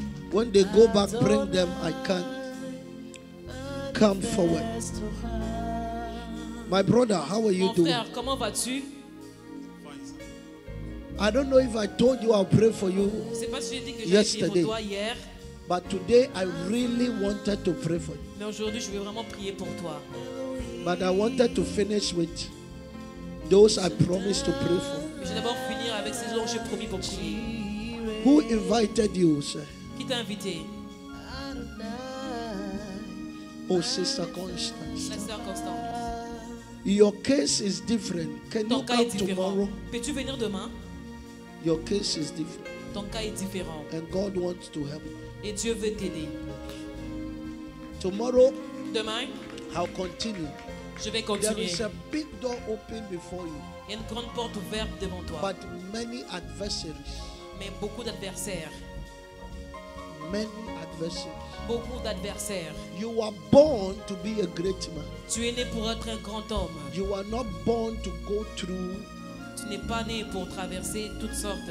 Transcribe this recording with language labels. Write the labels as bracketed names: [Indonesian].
[English] When they go back, bring them. I can't come forward. My brother, how are you doing? [French] Mon frère, comment vas-tu? [English] I don't know if I told you I'll pray for you yesterday. But today I really wanted to pray for you. [French] Mais aujourd'hui je veux vraiment prier pour toi. [English] But I wanted to finish with those I promised to pray for. [French] Je vais d'abord finir avec ces gens que j'ai promis pour prier. [English] Who invited you, sir? [French] Qui t'a invité? [English] Oh, Sister Constance. [French] La Sœur Constance. [English] Your case is different. Can [French] Ton [English] you come tomorrow? [French] Peux-tu venir demain? [English] Your case is different. [French] Ton cas est différent. [English] And God wants to help you. [French] Et Dieu veut t'aider. [English] Tomorrow, [French] demain, [English] I'll continue. [French] Je vais continuer. [English] There is a big door open before you. [French] Il y a une grande porte ouverte devant toi. [English] But many adversaries. [French] Mais beaucoup d'adversaires. [English] Many adversaries. [French] Beaucoup d'adversaires. [English] You are born to be a great man. [French] Tu es né pour être un grand homme. [English] You are not born to go through. [French] Tu n'es pas né pour traverser toutes sortes.